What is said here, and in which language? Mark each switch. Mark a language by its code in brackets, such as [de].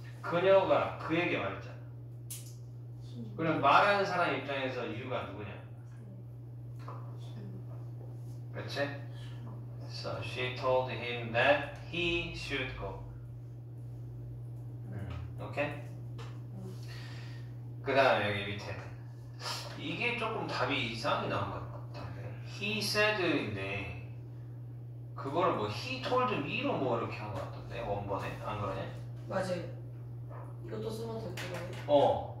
[ko] 그녀가 그에게 말했잖아. 그럼 말하는 사람 입장에서 you가 누구냐? 그치? [en] So she told him that he should go. [ko] 오케이? 그 다음 여기 밑에 이게 조금 답이 이상하게 나온 것 같아. [en] He said [ko] 인데 그거를 뭐 [en] he told me [ko] 로 뭐 이렇게 한 것 같던데 원본에. 안 그러냐? 맞아요. 이것도 쓰면 될 거예요.